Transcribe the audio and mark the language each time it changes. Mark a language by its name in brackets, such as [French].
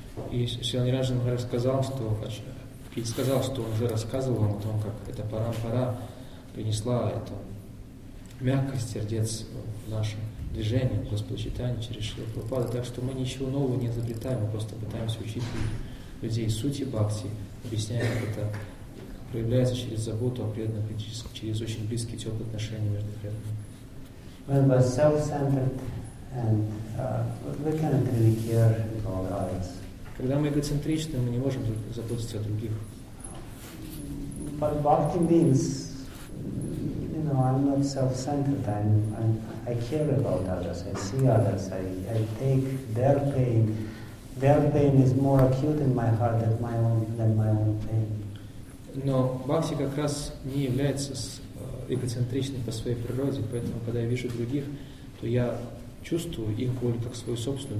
[Russian] И Шиланираджан сказал, что он уже рассказывал вам о том, как эта парампара принесла эту мягкость сердец в наше движение, в Господа Читания через Шрила Прабхупаду. Так что мы ничего нового не изобретаем, мы просто пытаемся учить людей сути бхакти, объясняя, как это проявляется через заботу о преданных, через очень близкие теплые отношения между преданными. [English] When we're self-centered and we cannot really care about others. [Russian] Когда мы эгоцентричны, мы не можем заботиться о других. [English] But bhakti means, you know, I'm not self-centered. I care about others. I see others. I take their pain. Their pain is more acute in my heart than my own pain. [Russian] Но бхакти как раз не является эгоцентричным по своей природе, поэтому, когда я вижу других, то я чувствую их боль как свою собственную.